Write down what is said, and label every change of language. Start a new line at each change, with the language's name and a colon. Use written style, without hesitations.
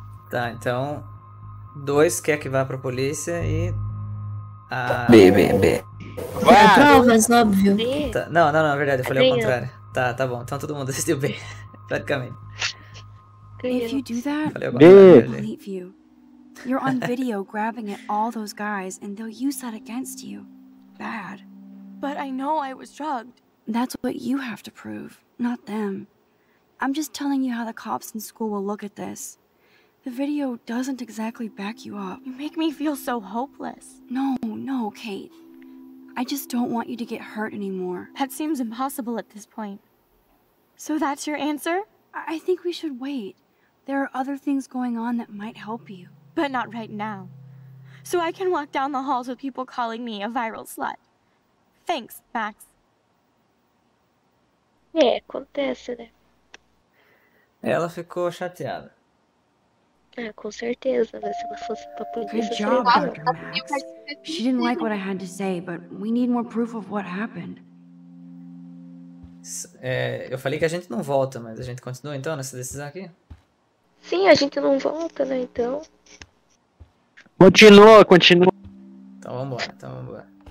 Portuguese: Tá, então... Dois quer que vá pra polícia e... Ah, B. Vai! Tem provas, óbvio. Tá, não, na verdade, eu falei ao contrário. Tá bom, então todo mundo decidiu B, praticamente.
English: If you do that, they'll believe you. You're on video grabbing at all those guys, and they'll use that against you. Bad. But I know I was drugged. That's what you have to prove, not them. I'm just telling you how the cops in school will look at this. The video doesn't exactly back you up. You make me feel so hopeless. No, Kate. I just don't want you to get hurt anymore. That seems impossible at this point. So that's your answer? I think we should wait. There are other things going on that might help you. But not right now. So I can walk down the halls with people calling me a viral slut. Thanks, Max.
Portuguese: É, acontece, né? Ela ficou chateada. É, com certeza, né? Se ela fosse pra polícia,
English: good job,
Portuguese: seria... Dr. Max.
English: She didn't like what I had to say, but we need more proof of what happened.
Portuguese: É, eu falei que a gente não volta, mas a gente continua então nessa decisão aqui? Sim, a gente não volta, né, então. Continua. Então vambora.